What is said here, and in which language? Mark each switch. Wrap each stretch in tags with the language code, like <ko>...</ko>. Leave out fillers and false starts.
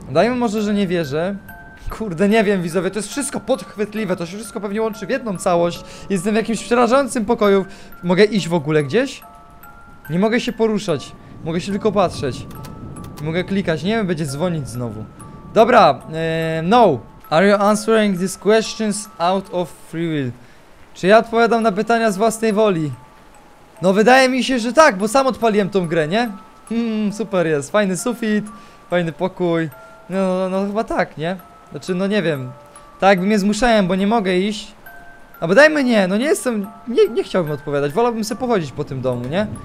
<pl>Dajmy może, że nie wierzę. Kurde, nie wiem, widzowie, to jest wszystko podchwytliwe, to się wszystko pewnie łączy w jedną całość. Jestem w jakimś przerażającym pokoju. Mogę iść w ogóle gdzieś? Nie mogę się poruszać, mogę się tylko patrzeć. Mogę klikać, nie wiem, będzie dzwonić znowu. Dobra, no.</pl> <en>Are you answering these questions out of free will?</en> <pl>Czy ja odpowiadam na pytania z własnej woli? No wydaje mi się, że tak, bo sam odpaliłem tą grę, nie? Super jest, fajny sufit, fajny pokój. No, no, no chyba tak, nie? Znaczy, no nie wiem. Tak jakby mnie zmuszałem, bo nie mogę iść. A dajmy nie, no nie jestem, nie, nie chciałbym odpowiadać, wolałbym sobie pochodzić po tym domu, nie?</pl>